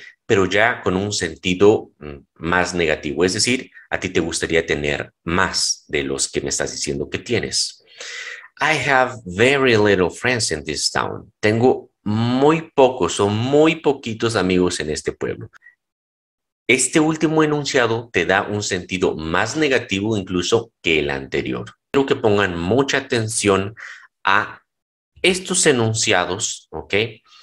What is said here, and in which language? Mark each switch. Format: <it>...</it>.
<es>Pero ya con un sentido más negativo, es decir, a ti te gustaría tener más de los que me estás diciendo que tienes.</es> <en>I have very little friends in this town.</en> <es>Tengo muy pocos o muy poquitos amigos en este pueblo. Este último enunciado te da un sentido más negativo incluso que el anterior. Quiero que pongan mucha atención a estos enunciados, ¿ok?</es>